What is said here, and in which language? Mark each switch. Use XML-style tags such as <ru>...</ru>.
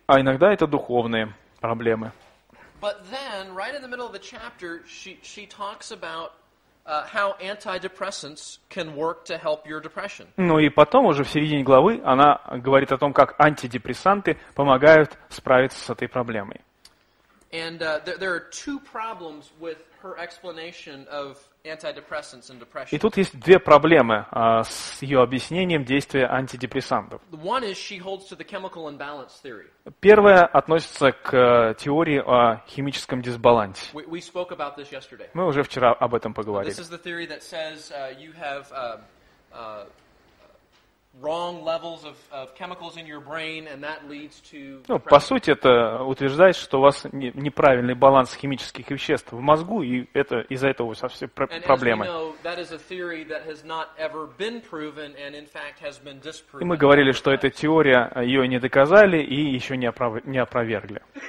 <ru>А иногда это духовные проблемы.</ru> <en>But then, right in the middle of the chapter, she talks about how antidepressants can work to help your depression.</en> <ru>Ну и потом уже в середине главы она говорит о том, как антидепрессанты помогают справиться с этой проблемой.</ru> <en>And there are two problems with her explanation of antidepressants and depression.</en> <ru>И тут есть две проблемы с ее объяснением действия антидепрессантов.</ru> <en>One is she holds to the chemical imbalance theory.</en> <ru>Первая относится к теории о химическом дисбалансе.</ru> <en>We spoke about this yesterday.</en> <ru>Мы уже вчера об этом поговорили.</ru> <en>This is the theory that says you have wrong levels of chemicals in your brain, and that leads to.</en> <ru>Ну, по сути, это утверждает, что у вас неправильный баланс химических веществ в мозгу, и это из-за этого совсем проблемы.</ru> <en>And as we know, that is a theory that has not ever been proven, and in fact has been disproven.</en> <ru>И мы говорили, что эта теория ее не доказали и еще не опровергли.</ru>